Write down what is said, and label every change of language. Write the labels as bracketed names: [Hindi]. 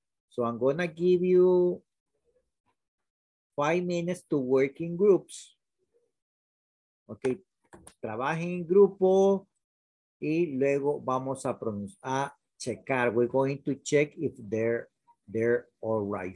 [English] So I'm going to give you 5 minutes to work in groups. ¿Ok? [Spanish] Trabajen en grupo y luego vamos a checar. [English] We're going to check if they're all right.